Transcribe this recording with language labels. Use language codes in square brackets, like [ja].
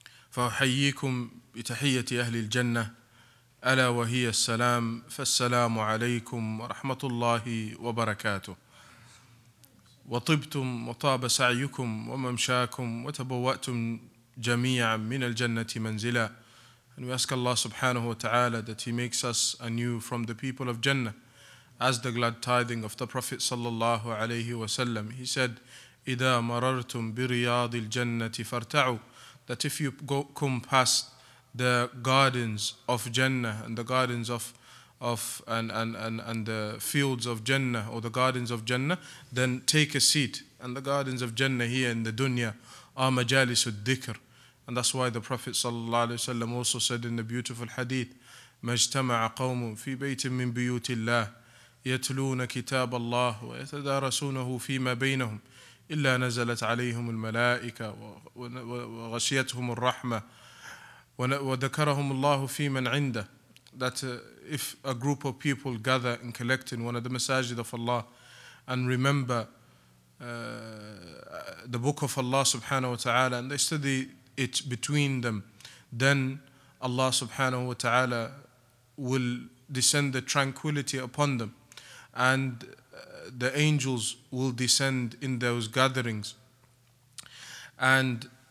[ar] فأحييكم بتحية أهل الجنة ألا وهي السلام فالسلام عليكم ورحمة الله وبركاته وطبتم وطاب سعيكم وممشاكم وتبوأتم جميعا من الجنة منزلا. [en] And we ask Allah subhanahu wa ta'ala that He makes us anew from the people of Jannah. As the glad tiding of the Prophet sallallahu alayhi wa sallam, he said, [ar] إِذَا مَرَرْتُمْ بِرِيَاضِ الْجَنَّةِ فَارْتَعُوا, [en] that if you go, come past the gardens of Jannah and the gardens of and the fields of Jannah or the gardens of Jannah, then take a seat. And the gardens of Jannah here in the dunya are majalis al-dhikr. And that's why the Prophet sallallahu alayhi wa sallam also said in the beautiful hadith, [ar] مَجْتَمَعَ قَوْمٌ فِي بَيْتٍ مِّن بِيُوتِ اللَّهِ يَتْلُونَ كِتَابَ اللَّهِ وَيَتَدَارَسُونَهُ فِي مَا بَيْنَهُمْ إلا نزلت عليهم الملائكة وغشيتهم الرحمة وذكرهم الله في من عنده. [en] That if a group of people gather and collect in one of the masajid of Allah and remember the book of Allah subhanahu wa ta'ala and they study it between them, then Allah subhanahu wa ta'ala will descend the tranquility upon them, and the angels will descend in those gatherings, and